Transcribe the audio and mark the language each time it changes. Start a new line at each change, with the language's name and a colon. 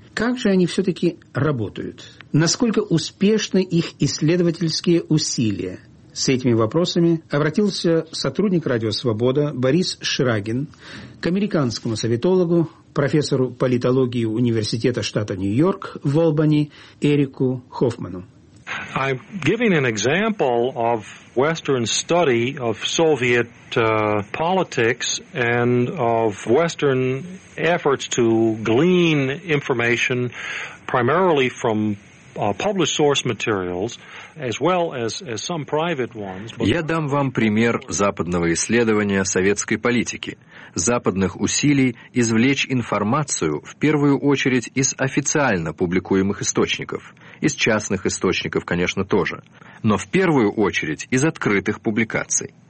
Russian: Как же они все-таки работают? Насколько успешны их исследовательские усилия? С этими вопросами обратился сотрудник «Радио Свобода» Борис Шрагин к американскому советологу, профессору политологии Университета штата Нью-Йорк в Олбани Эрику Хоффману.
English: I'm giving an example of Western study of Soviet politics and of Western efforts to glean information primarily from published source materials, as well as some private ones.
Russian: Я дам вам пример западного исследования советской политики, западных усилий извлечь информацию в первую очередь из официально публикуемых источников, из частных источников, конечно, тоже, но в первую очередь из открытых публикаций.